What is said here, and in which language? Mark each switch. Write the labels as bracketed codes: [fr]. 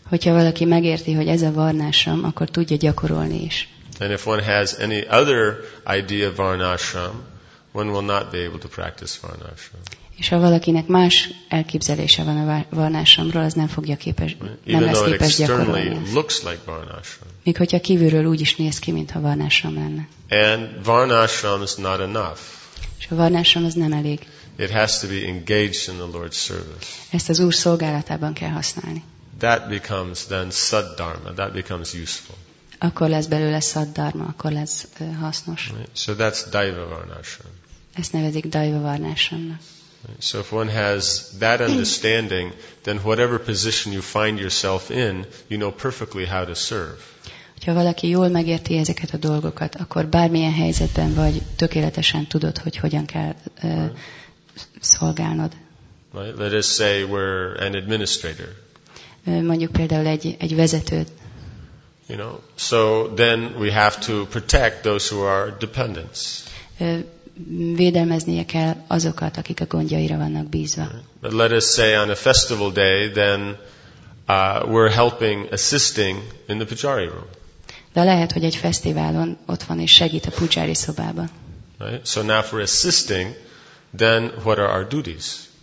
[hu] Hogyha valaki megérti, hogy ez a varnashram, akkor tudja gyakorolni is. [en] And if one has any other idea of varnashram, one will not be able to practice varnashram. [hu] És ha valakinek más elképzelése van a varnashramról, az nem fogja képes, nem lesz képes gyakorolni. [en] Looks like varnashram. [hu] Még hogyha kívülről úgy is néz ki, mintha varnashram lenne. [en] And varnashram is not enough. [hu] És a varnashram az nem elég. [en] It has to be engaged in the Lord's service. [hu] Ezt az Úr szolgálatában kell használni. [en] That becomes then saddharma. That becomes useful. [hu] Akkor lesz belőle saddharma, akkor lesz hasznos. [en] Right. So that's daiva varnashram. [hu] Ezt nevezik daiva varnashramnak. [en] So if one has that understanding, then whatever position you find yourself in, you know perfectly how to serve. [hu] Ha valaki jól megérti ezeket a dolgokat, akkor bármilyen helyzetben vagy, tökéletesen tudod, hogy hogyan kell szolgálnod. [en] Right? Let us say we're an administrator. [hu] Mondjuk például egy vezetőt. [en] So then we have to protect those who are dependents. [hu] Védelmeznie kell azokat, akik a gondjaira vannak bízva. [en] But let us say on a festival day, then we're helping, assisting in the pujari room. [hu] De lehet, hogy egy fesztiválon ott van és segít a pujári szobában. [en] Right? So now if we're assisting, then what are our duties?